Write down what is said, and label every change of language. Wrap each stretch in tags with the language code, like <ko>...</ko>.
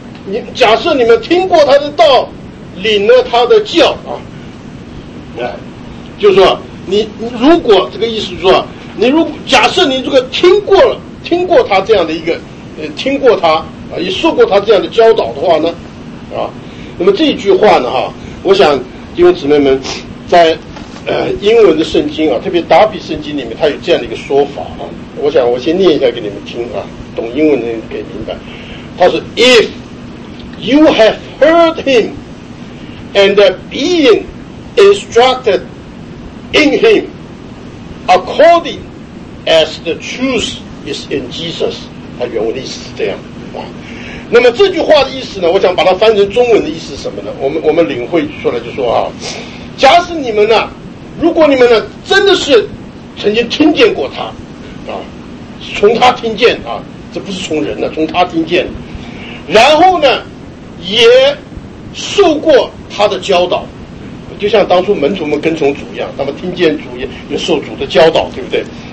<zh>你假设你们听过他的道，领了他的教啊，就是说你如果这个意思是说，你如果假设你这个听过他这样的一个听过他啊，也受过他这样的教导的话呢，啊，那么这句话呢哈，我想弟兄姊妹们在英文的圣经啊，特别达比圣经里面，他有这样的一个说法啊，我想我先念一下给你们听啊，懂英文的人可以明白。他说</zh> <en>：“If you have heard him and being instructed in him, according as the truth is in Jesus。”</en> <zh>他原文的意思是这样啊。那么这句话的意思呢，我想把它翻成中文的意思是什么呢？我们领会出来就说啊，假使你们呢，如果你们呢真的是曾经听见过他啊，从他听见啊，这不是从人的，从他听见，然后呢也受过他的教导，就像当初门徒们跟从主一样，他们听见主也受主的教导，对不对？</zh>